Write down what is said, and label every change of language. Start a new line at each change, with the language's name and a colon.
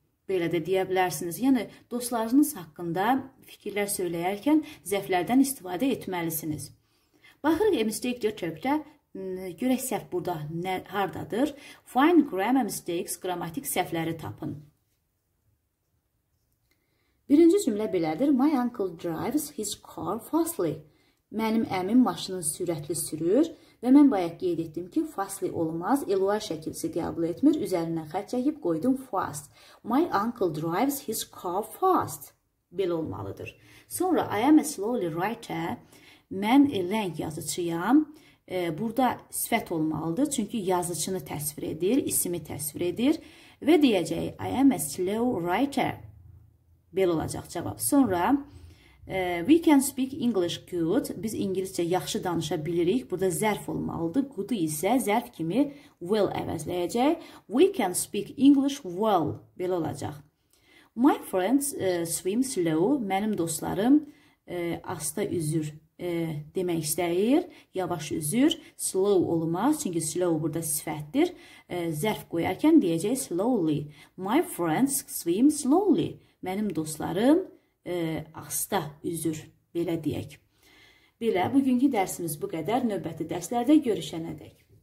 Azerbaijani: Belə də deyə bilərsiniz. Yəni dostlarınız haqqında fikirlər söyləyərkən zərflərdən istifadə etməlisiniz. Baxırıq mistake detector-də. Görək səhv burada hardadır.
English: Find grammar mistakes.
Azerbaijani: Qrammatik səhvləri tapın. Birinci cümlə belədir.
English: My uncle drives his car fastly.
Azerbaijani: Mənim əmim maşını sürətli sürür və mən bayaq qeyd etdim ki, fastly olmaz, ly şəkilsi qəbul etmir, üzərinə xətt çəkib qoydum fast.
English: My uncle drives his car fast.
Azerbaijani: Belə olmalıdır.
English: Sonra I am a slowly writer.
Azerbaijani: Mən ləng yazıçıyam. Burada sifət olmalıdır, çünki yazıçını təsvir edir, isimi təsvir edir və deyəcək
English: I am a slow writer.
Azerbaijani: Belə olacaq cavab.
English: Sonra, we can speak English good.
Azerbaijani: Biz ingiliscə yaxşı danışa bilirik. Burada zərf olmalıdır. Good-u isə zərf kimi well əvəzləyəcək.
English: We can speak English well.
Azerbaijani: Belə olacaq.
English: My friends swim slow.
Azerbaijani: Mənim dostlarım asta üzür demək istəyir. Yavaş üzür. Slow olmaz. Çünki slow burada sifətdir. Zərf qoyarkən deyəcək slowly.
English: My friends swim slowly.
Azerbaijani: Mənim dostlarım asta üzür, belə deyək. Belə, bugünkü dərsimiz bu qədər. Növbəti dərslərdə görüşənə dək.